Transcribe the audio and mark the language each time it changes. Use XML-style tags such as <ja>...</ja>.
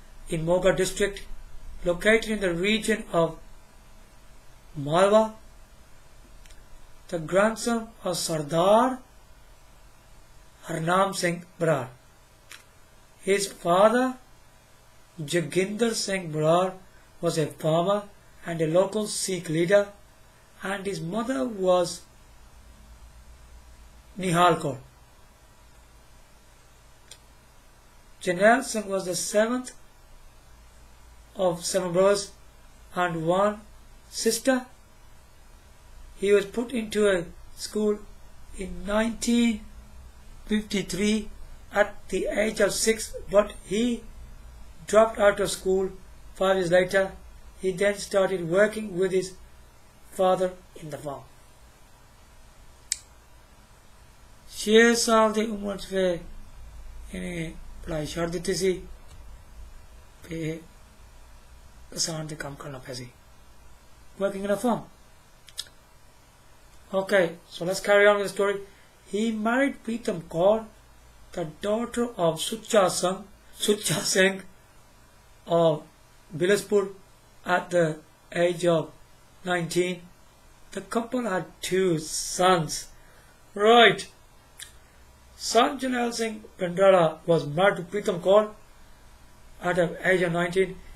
<en>in Moga district located in the region of Malwa the grandson of Sardar Harnam Singh Brar his father Jaginder Singh Brar was a farmer and a local Sikh leader and his mother was Nihal Kaur Jarnail Singh was the seventh of seven brothers and one sister. He was put into a school in 1953 at the age of six, but he dropped out of school 5 years later. He then started working with his father in the farm.</en> <pa>ਛੇ ਸਾਲ ਦੀ ਉਮਰ ਚ ਫਿਰ ਇਹਨੇ ਪੜ੍ਹਾਈ ਛੱਡ ਦਿੱਤੀ ਸੀ ਤੇ ਕਿਸਾਨ ਦੇ ਕੰਮ ਕਰਨਾ ਪਿਆ ਸੀ working in a farm</pa> <en>Okay so let's carry on with the story he married Pritam Kaur the daughter of Sucha Singh of Bilaspur at the age of 19 the couple had two sons right Sant Jarnail Singh Bhindranwale was married to Pritam Kaur at the age of 19.</en>